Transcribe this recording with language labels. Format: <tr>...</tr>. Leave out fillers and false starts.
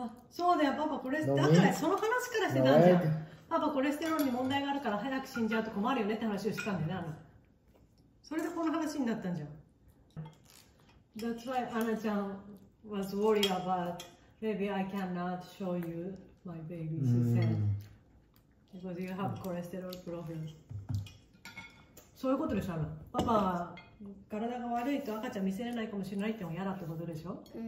<ja>そうだよ、パパコレステロール。だから、その話からしてなんじゃん。パパコレステロールに問題があるから早く死んじゃうと困るよねって話をしたんだよな。それでこの話になったんじゃん。</ja> <en>That's why アナちゃん was worried about. Maybe I cannot show you my baby, she said. Because you have cholesterol problems.</en> <ja>そういうことでしょ、パパは体が悪いと赤ちゃん見せれないかもしれないってのが嫌だってことでしょ。</ja>